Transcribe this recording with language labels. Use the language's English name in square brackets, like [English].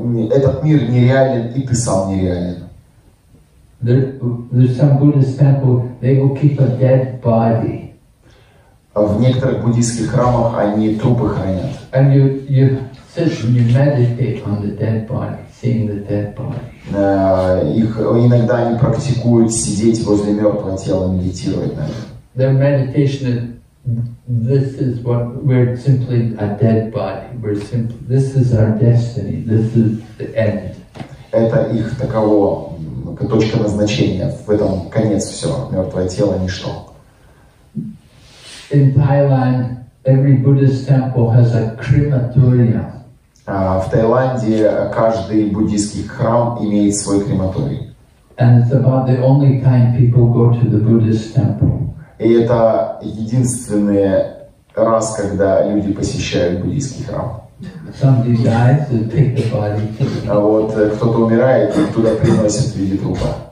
[Russian] Этот мир нереален, и ты сам нереален. [English] There's some Buddhist temple, they will keep a dead body. [Russian] В некоторых буддийских храмах они трупы хранят. [English] And you sit and you meditate on the dead body. Seeing the dead body. [Russian] Иногда они практикуют сидеть возле мертвого тела, медитировать на нем. [English] Their meditation is, this is what we're simply a dead body. We're simply, this is our destiny. This is the end. [Russian] Это их таково, точка назначения. В этом конец все, мертвое тело, ничто. [English] In Thailand, every Buddhist temple has a crematorium. [Russian] В Таиланде каждый буддийский храм имеет свой крематорий. [English] And it's about the only time people go to the Buddhist temple. [Russian] И это единственный раз, когда люди посещают буддийский храм. А вот кто-то умирает, и туда приносит в виде трупа.